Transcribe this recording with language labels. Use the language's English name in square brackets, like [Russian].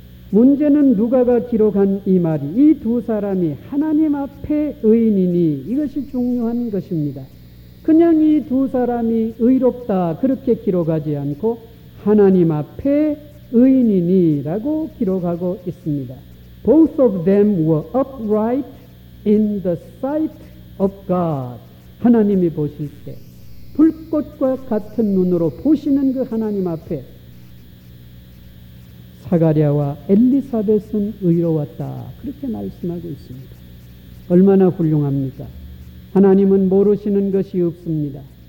[Korean] 문제는 누가가 기록한 이 말이 이 두 사람이 하나님 앞에 의인이니 이것이 중요한 것입니다. 그냥 이 두 사람이 의롭다 그렇게 기록하지 않고 하나님 앞에 의인이니 라고 기록하고 있습니다. [English] Both of them were upright in the sight of God. [Korean] 하나님이 보실 때 불꽃과 같은 눈으로 보시는 그 하나님 앞에 사가랴와 엘리사벳은 의로웠다 그렇게 말씀하고 있습니다. 얼마나 훌륭합니까? 하나님은 모르시는 것이 없습니다.